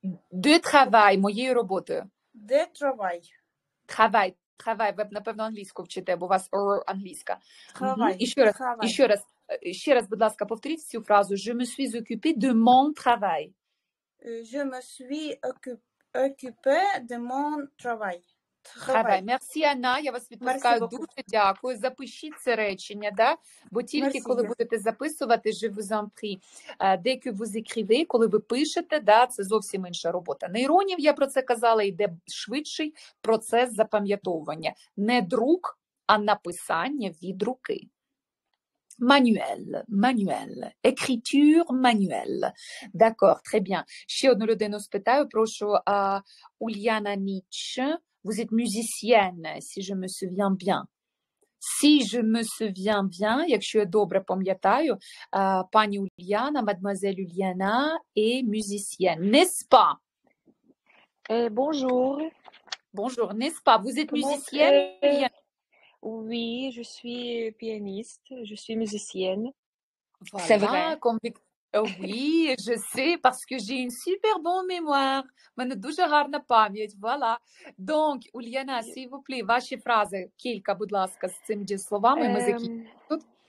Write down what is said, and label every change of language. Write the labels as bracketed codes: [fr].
[uk] Де travail, моєю роботою. [fr] Де travail. Travail, [uk] Хавай, ви б, напевно, англійську вчите, бо у вас англійська. Хавай, І ще раз, хавай. Ще раз, будь ласка, повторіть цю фразу. [fr] Je me suis occupé de mon travail. Je me suis occupé de mon travail. [uk] Хавай, мерсі, Анна, я вас відпускаю, дуже дякую. Запишіть це речення, да? Бо тільки merci, коли будете записувати, [fr] je vous en prie, dès que vous écrivez, [uk] коли ви пишете, да, це зовсім інша робота. Нейронів, я про це казала, йде швидший процес запам'ятовування. Не друк, а написання від руки. [fr] Manuel, manuel, écriture manuelle. D'accord, très bien. [uk] Ще одну людину спитаю, прошу, Ульяна Ніч. [fr] Vous êtes musicienne, si je me souviens bien. Si je me souviens bien, [uk] якщо я добре пам'ятаю, пані Ульяна, [fr] мадемуазель Ульяна, est musicienne, n'est-ce pas? Bonjour. Bonjour, n'est-ce pas? Vous êtes musicienne? Oui, je suis pianiste, je suis musicienne. Voilà, c'est vrai. Oui, je sais, parce que j'ai une super bonne mémoire. [uk] У мене дуже гарна пам'ять, [fr] voilà. Donc, [uk] Ульяна, [fr] s'il vous plaît, [uk] ваші фрази, кілька, будь ласка, з цими словами, ми закінчимо тут.